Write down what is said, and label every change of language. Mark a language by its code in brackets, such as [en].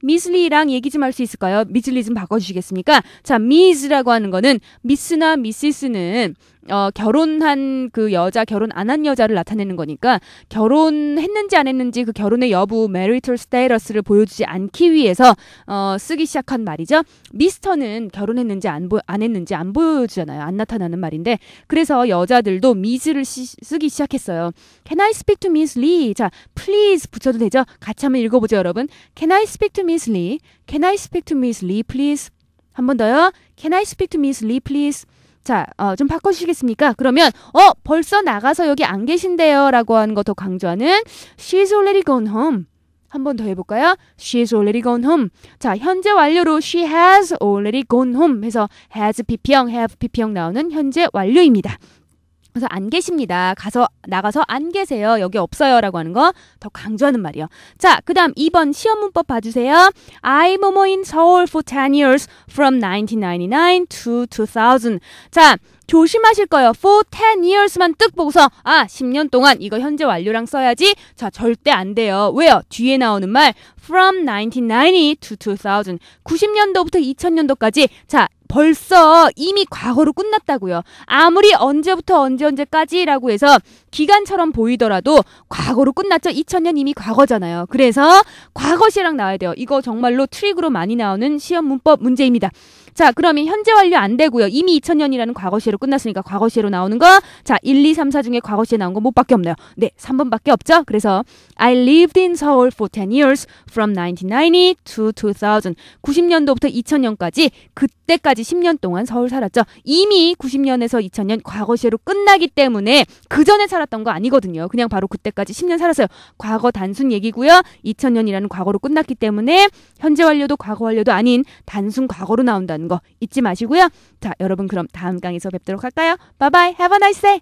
[ko] Miss Lee랑 얘기 좀 할 수 있을까요? Miss Lee 좀 바꿔주시겠습니까? 자, Miss라고 하는 거는 Miss나 Mrs는 결혼한 그 여자, 결혼 안 한 여자를 나타내는 거니까 결혼했는지 안 했는지 그 결혼의 여부, marital status를 보여주지 않기 위해서 쓰기 시작한 말이죠. Mr.는 결혼했는지 안 했는지 안 보여주잖아요. 안 나타나는 말인데 그래서 여자들도 Miss를 쓰기 시작했어요. [en] Can I speak to Miss Lee? [ko] 자, please 붙여도 되죠? 같이 한번 읽어보죠, 여러분. [en] Can I speak to Miss Lee? Can I speak to Miss Lee, please? [ko] 한 번 더요. [en] Can I speak to Miss Lee, please? [ko] 자, 좀 바꿔주시겠습니까? 그러면 벌써 나가서 여기 안 계신데요 라고 하는 것도 강조하는 [en] She's already gone home. [ko] 한 번 더 해볼까요? [en] She's already gone home. [ko] 자, 현재 완료로 [en] She has already gone home [ko] 해서 has PP형, have PP형 나오는 현재 완료입니다. 그래서 안 계십니다. 가서 나가서 안 계세요. 여기 없어요 라고 하는 거 더 강조하는 말이요. 자, 그 다음 2번 시험 문법 봐주세요. [en] I Momo in Seoul for 10 years from 1999 to 2000. [ko] 자, 조심하실 거예요. [en] For 10 years [ko] 만 뚝 보고서 10년 동안 이거 현재 완료랑 써야지. 자, 절대 안 돼요. 왜요? 뒤에 나오는 말 [en] from 1990 to 2000. [ko] 90년도부터 2000년도까지 자, 벌써 이미 과거로 끝났다고요. 아무리 언제부터 언제까지라고 해서 기간처럼 보이더라도 과거로 끝났죠. 2000년 이미 과거잖아요. 그래서 과거시랑 나와야 돼요. 이거 정말로 트릭으로 많이 나오는 시험 문법 문제입니다. 자, 그러면 현재 완료 안 되고요. 이미 2000년이라는 과거시로 끝났으니까 과거시로 나오는 거. 자, 1, 2, 3, 4 중에 과거시에 나온 거 못밖에 없네요. 네, 3번밖에 없죠. [en] 그래서 I lived in Seoul for 10 years from 1990 to 2000. [ko] 90년도부터 2000년까지 그때까지 10년 동안 서울 살았죠. 이미 90년에서 2000년 과거시로 끝나기 때문에 그 전에 살았던 거 아니거든요. 그냥 바로 그때까지 10년 살았어요. 과거 단순 얘기고요. 2000년이라는 과거로 끝났기 때문에 현재 완료도 과거 완료도 아닌 단순 과거로 나온다. 거 잊지 마시고요. 자, 여러분 그럼 다음 강의에서 뵙도록 할까요? [en] Bye bye. Have a nice day.